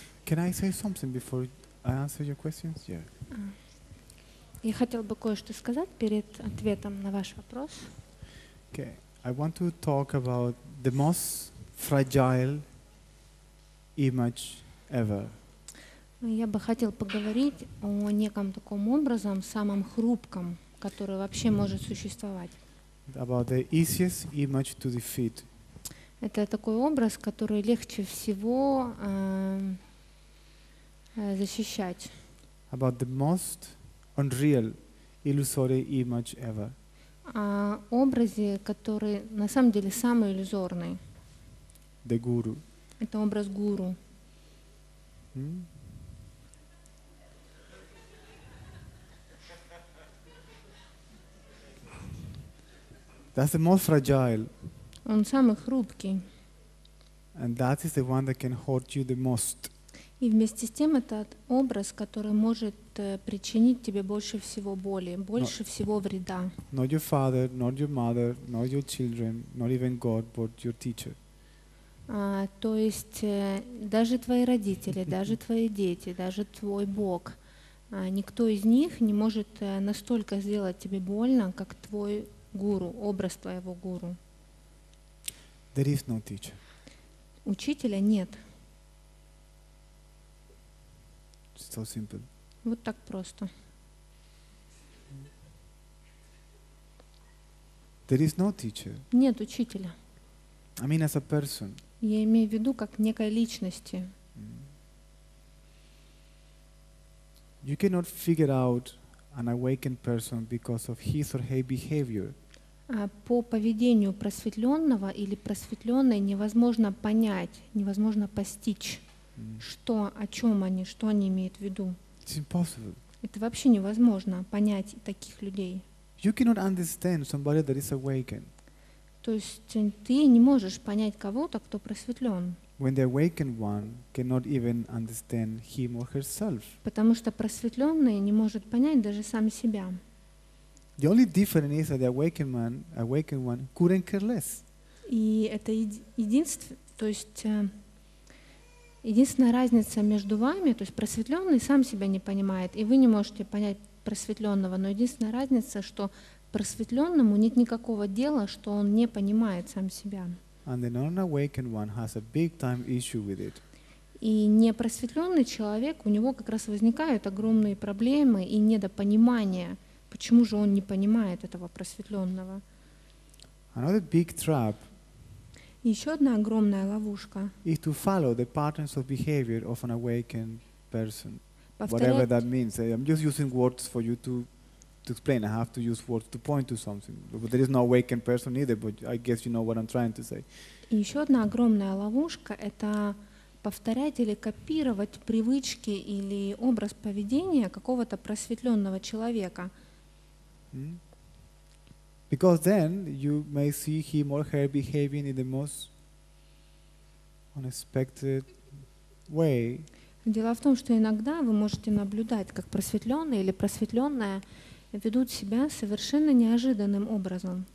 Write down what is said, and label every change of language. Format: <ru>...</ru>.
<en>Can I say something before I answer your questions? Yeah.</en> <ru>Я хотел бы кое-что сказать перед ответом на ваш вопрос.</ru> <en>Okay. I want to talk about the most fragile image ever.</en> <ru>Я бы хотел поговорить о неком таком образом, самом хрупком, который вообще может существовать.</ru> <en>About the easiest image to defeat.</en> <ru>Это такой образ, который легче всего защищать.</ru> <en>About the most unreal, illusory image ever.</en> <ru>О образе, который на самом деле самый иллюзорный.</ru> <en>The guru.</en> <ru>Это образ гуру.</ru> <en>That's the most fragile.</en> <ru>Он самый хрупкий.</ru> <en>And that is the one that can hurt you the most.</en> <ru>И вместе с тем это образ, который может причинить тебе больше всего боли, больше всего вреда.</ru> <en>Not your father, not your mother, not your children, not even God, but your teacher.</en> <ru>То есть даже твои родители, даже твои дети, даже твой Бог, никто из них не может настолько сделать тебе больно, как твой гуру, образ твоего гуру.</ru> <en>There is no teacher.</en> <ru>Учителя нет.</ru> <en>So simple.</en> <ru>Вот так просто.</ru> <en>There is no teacher.</en> <ru>Нет учителя.</ru> <en>I mean as a person.</en> <ru>Я имею в виду как некой личности.</ru> <en>You cannot figure out an awakened person because of his or her behavior.</en> <ru>По поведению просветленного или просветленной невозможно понять, невозможно постичь, что, о чем они, что они имеют в виду.</ru> <en>It's impossible.</en> <ru>Это вообще невозможно понять таких людей.</ru> <en>You cannot understand somebody that is awakened.</en> <ru>То есть ты не можешь понять кого-то, кто просветлен.</ru> <en>When the awakened one cannot even understand him or herself.</en> <ru>Потому что просветленный не может понять даже сам себя.</ru> <en>The only difference is that the awakened man, awakened one, couldn't care less.</en> <ru>И это то есть единственная разница между вами, то есть просветленный сам себя не понимает, и вы не можете понять просветленного. Но единственная разница, что просветленному нет никакого дела, что он не понимает сам себя.</ru> <en>And the non-awakened one has a big time issue with it.</en> <ru>И непросветленный человек, у него как раз возникают огромные проблемы и недопонимание. Почему же он не понимает этого просветленного?</ru> <en>Another big trap.</en> <ru>Еще одна огромная ловушка.</ru> <en>Is to follow the patterns of behavior of an awakened person, whatever that means. I'm just using words for you to explain. I have to use words to point to something. But there is no awakened person either. But I guess you know what I'm trying to say.</en> <ru>Еще одна огромная ловушка – это повторять или копировать привычки или образ поведения какого-то просветленного человека.</ru> <en>Because then you may see him or her behaving in the most unexpected way.</en> <ru>Дело в том, что иногда вы можете наблюдать, как просветленный или просветленная ведут себя совершенно неожиданным образом.</ru>